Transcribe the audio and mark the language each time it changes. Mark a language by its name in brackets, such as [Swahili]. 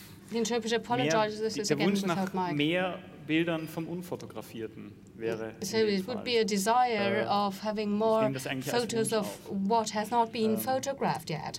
[English] The interpreter apologizes, this is again without mic. [German] Der Wunsch nach mehr Bildern vom Unfotografierten wäre... [English] So it would be a desire of having more photos of what has not been photographed yet.